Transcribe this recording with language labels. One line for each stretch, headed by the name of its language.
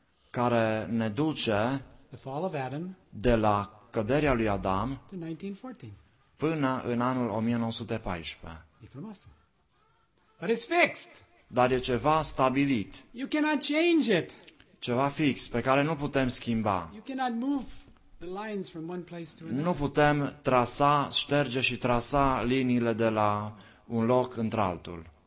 Romanian: care ne duce
English: the fall of Adam
Romanian: de la căderea lui Adam
English: to 1914.
Romanian: Până în anul 1914.
English: But it's fixed.
Romanian: dar e ceva stabilit.
English: You cannot change it.
Romanian: Ceva fix, pe care nu putem schimba.
English: You cannot move the lines from one place to another.
Romanian: Nu putem trasa, șterge și trasa liniile de la un loc într-altul.